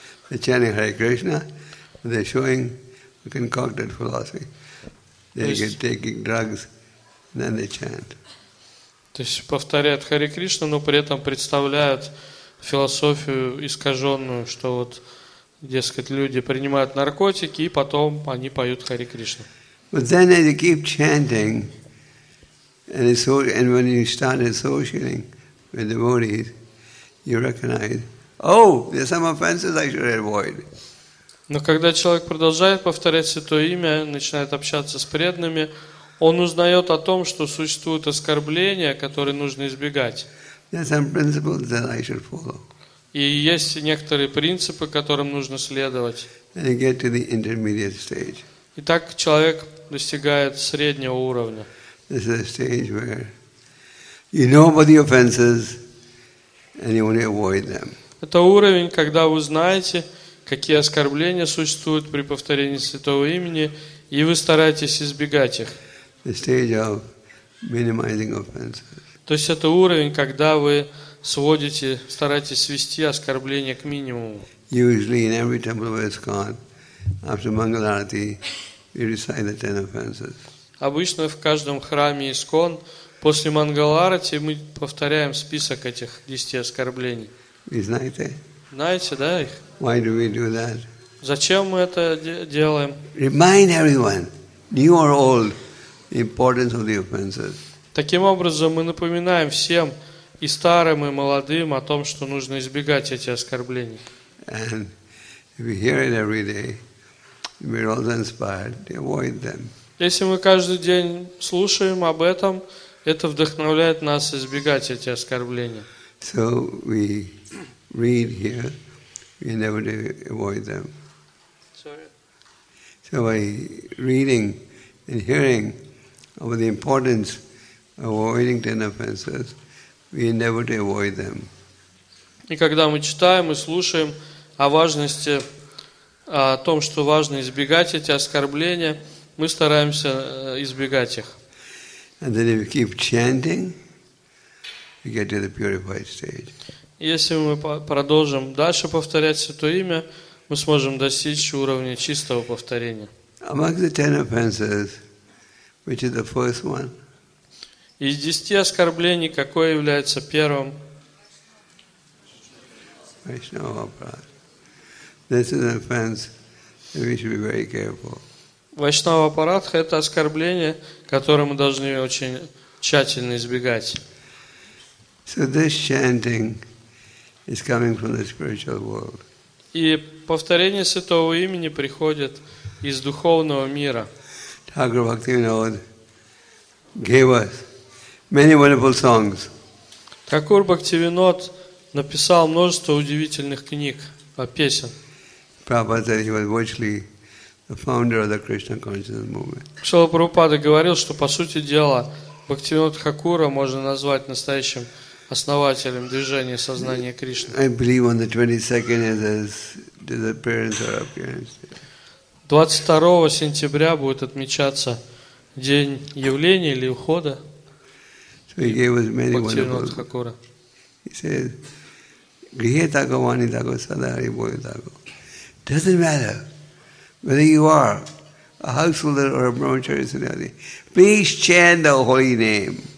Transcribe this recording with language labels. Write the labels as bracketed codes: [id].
[en] Hare Krishna, they're showing a concocted philosophy. They're taking drugs, and then they chant. [ru] То есть повторяют Hare Krishna, но при этом представляют философию искаженную, что вот, дескать, люди принимают наркотики, и потом они поют Hare Krishna. [en] But then as you keep chanting, and when you start associating, with devotees, you recognize, oh, there are some offenses I should avoid. [ru] Но когда человек продолжает повторять святое имя, начинает общаться с преданными, он узнает о том, что существуют оскорбления, которые нужно избегать. [en] There are some principles that I should follow. [ru] И есть некоторые принципы, которым нужно следовать. [en] And you get to the intermediate stage. [ru] И так человек достигает среднего уровня. [en] This is a stage where you know about the offenses, and you want to avoid them. [ru] Это уровень, когда вы знаете, какие оскорбления существуют при повторении святого имени, и вы стараетесь избегать их. [en] The stage of minimizing offenses. [ru] То есть это уровень, когда вы сводите, стараетесь свести оскорбления к минимуму. [en] Usually, in every temple of ISKCON, after Mangal Arati, we recite the 10 offenses. [ru] Обычно в каждом храме ИСККОН после Мангаларати мы повторяем список этих 10 оскорблений. Вы знаете? Знаете, да, их? [en] Why do we do that? [ru] Зачем мы это делаем? [en] Remind everyone, new or old, the importance of the offenses. [ru] Таким образом, мы напоминаем всем, и старым, и молодым, о том, что нужно избегать эти оскорбления. [en] And if we hear it every day, we're all inspired to avoid them. [ru] Если мы каждый день слушаем об этом, это вдохновляет нас избегать эти оскорбления. [en] So we read here, we never avoid them. Sorry. So by reading and hearing about the importance of avoiding 10 offenses, we never avoid them. [ru] И когда мы читаем и слушаем о важности, о том, что важно избегать эти оскорбления, мы стараемся избегать их. [en] And then if you keep chanting, you get to the purified stage. [ru] Если мы продолжим дальше повторять святое имя, мы сможем достичь уровня чистого повторения. [en] Among the 10 offenses, which is the first one? [ru] Из 10 оскорблений, какое является первым? [sa] Vaishnava Aparadha. [en] This is an offense that we should be very careful. [ru] Вайшнава Апарадха – это оскорбление, которое мы должны очень тщательно избегать. И повторение святого имени приходит из духовного мира. [en] Тхакур Бхактивинод gave us many wonderful songs. [ru] Тхакур Бхактивинод написал множество удивительных книг, песен. [en] Прабхупада said he was virtually the founder of the Krishna consciousness movement. [ru] Шрила Прабхупада говорил, что по сути дела Бхактивинод Хакура можно назвать настоящим основателем движения сознания Кришны. [en] I believe on the 22nd is his disappearance or appearance. [ru] 22 сентября будет отмечаться день явления или ухода. [en] So he gave us many [ru] Бхактивинод Хакура. [bn] He said, "Griheta kavani dago sadari boyadago." [en] Doesn't matter whether you are a householder or a brahmachari sannyasi, please chant the holy name.